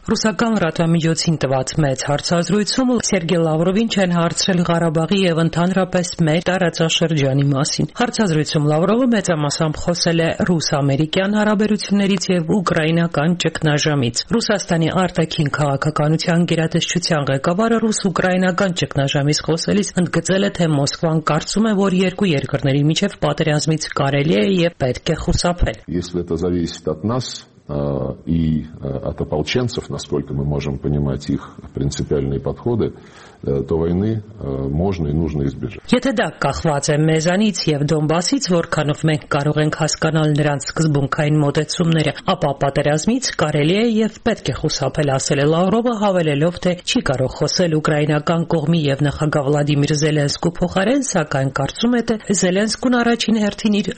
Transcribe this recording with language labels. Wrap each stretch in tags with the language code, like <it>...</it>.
<hy>ռուսական ռադիոմիջոցին տված մեծ հարցազրույցում Սերգեյ Լավրովին չեն հարցրել Ղարաբաղի և ընդհանրապես մեր տարածաշրջանի մասին։ Հարցազրույցում Լավրովը մեծամասամբ խոսել է ռուս-ամերիկյան հարաբերություններից և ուկրաինական ճգնաժամից։ Ռուսաստանի արտաքին քաղաքականության գերատեսչության ղեկավարը ռուս-ուկրաինական ճգնաժամից խոսելիս ընդգծել է, թե Մոսկվան կարծում է, որ երկու երկրների միջև պատերազմից կարելի է եւ պետք է խուսափել։ Ես 2015</hy> <ru>и от ополченцев, насколько мы можем понимать их принципиальные подходы, то войны можно и нужно избежать.</ru> <hy>Եթե դա կախված է մեզանից եւ Դոնբասից, որքանով մենք կարող ենք հասկանալ նրանց սկզբունքային մոտեցումները, ապա պատերազմից կարելի է եւ պետք է խուսափել, ասել է Լավրովը, հավելելով, թե չի կարող խոսել ուկրաինական կողմի եւ նախագահ Վլադիմիր Զելենսկու փոխարեն, սակայն կարծում է, թե Զելենսկուն առաջին հերթին իր</hy>